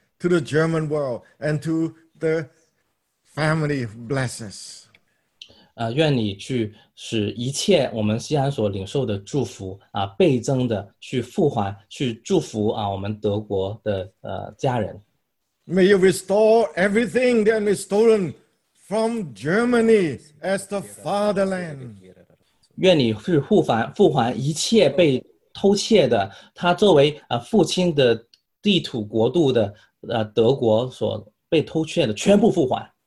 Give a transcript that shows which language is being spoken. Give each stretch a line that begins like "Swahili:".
English: to the German world and to the family blessings.
Chinese: 愿你去使一切我们西安所领受的祝福啊倍增的去复还去祝福啊我们德国的家人。
English: May you restore everything that is stolen from Germany as the fatherland.
Chinese: 愿你去复还一切被偷窃的他作为父亲的地土国度的德国所被偷窃的全部复还。